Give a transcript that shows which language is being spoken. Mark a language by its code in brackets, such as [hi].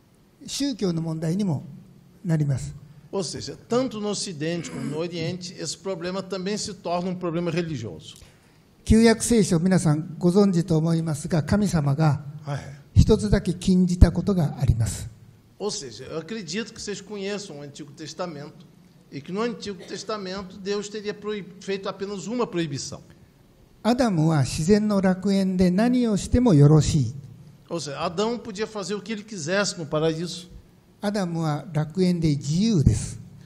[ja] この問題の一つですね。免疫。これは違う。旧約聖書。この問題は西洋でも東洋でも宗教の問題にもなります。 [pt] Ou seja, tanto no Ocidente como no Oriente, esse problema também se torna problema religioso. [ja] 旧約聖書、皆さんご存知と思いますが、神様が一つだけ禁じたことがあります。 [pt] Ou seja, eu acredito que vocês conheçam o Antigo Testamento e que no Antigo Testamento Deus teria feito apenas uma proibição. [ja] アダムは自然の楽園で何をしてもよろしい。 [pt] Ou seja, Adão podia fazer o que ele quisesse no paraíso. [ja] アダムは楽園で自由です。